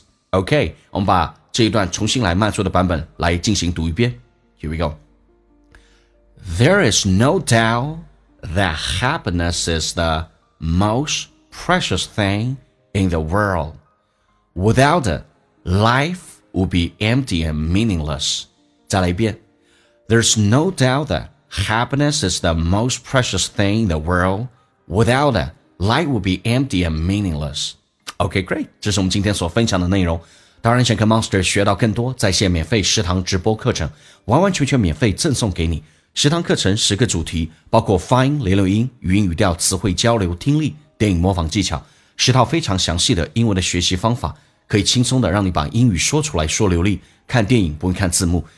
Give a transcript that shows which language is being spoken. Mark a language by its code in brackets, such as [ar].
[zh] OK, 我们把这一段重新来慢速的版本来进行读一遍。 [en] Here we go. There is no doubt that happiness is the most precious thing in the world. Without it, life would be empty and meaningless. [zh] 再来一遍。 [en] There's no doubt that happiness is the most precious thing in the world. Without it, life would be empty and meaningless. Okay, great. [zh] 这是我们今天所分享的内容。当然想跟 Monster 学到更多在线免费食堂直播课程，完完全全免费赠送给你。食堂课程十个主题，包括发音、连留音、语音语调、词汇交流、听力、电影模仿技巧。十套非常详细的英文的学习方法，可以轻松的让你把英语说出来说流利，看电影不用看字幕。